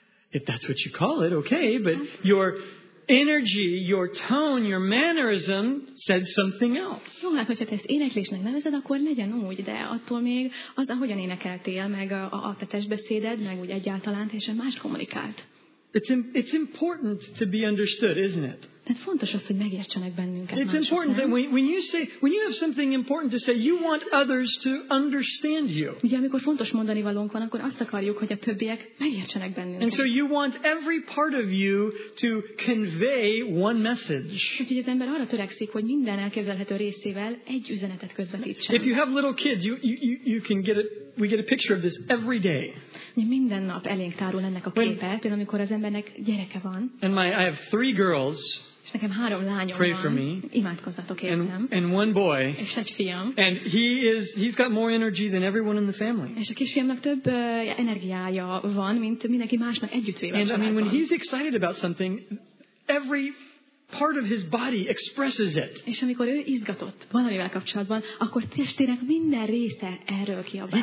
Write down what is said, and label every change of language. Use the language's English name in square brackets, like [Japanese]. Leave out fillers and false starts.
[English] If that's what you call it, okay, but your energy, your tone, your mannerism said something else. [Hungarian] Jó, hát, hogyha te ezt éneklésnek nevezed, akkor legyen úgy, de attól még az, ahogyan énekeltél, meg a te testbeszéded, meg úgy egyáltalán teljesen más kommunikált. [English] It's important to be understood, isn't it? [Hungarian] Tehát fontos az, hogy megértsenek bennünket. [English] It's important that when you have something important to say, you want others to understand you. [Hungarian] Ugye, amikor fontos mondani valónk van, akkor azt akarjuk, hogy a többiek megértsenek bennünket. [English] And so you want every part of you to convey one message. [Hungarian] Úgyhogy az ember arra törekszik, hogy minden elképzelhető részével egy üzenetet közvetítsen. [English] If you have little kids, you can get it. We get a picture of this every day. [Hungarian] Minden nap elénk tárul ennek a képe, például amikor az embernek gyereke van. [English] And I have three girls. [Hungarian] És nekem három lányom [English] pray [Hungarian] van. [English] For me. [Hungarian] Imádkozzatok értem. [English] And one boy. [Hungarian] És egy fiam. [English] And he's got more energy than everyone in the family. [Hungarian] És a kisfiamnak több energiája van, mint mindenki másnak együttvéve. [English] And I mean, when he's excited about something, every part of his body expresses it. [Hungarian] És amikor ő izgatott valamivel kapcsolatban, akkor testének minden része erről kiabál.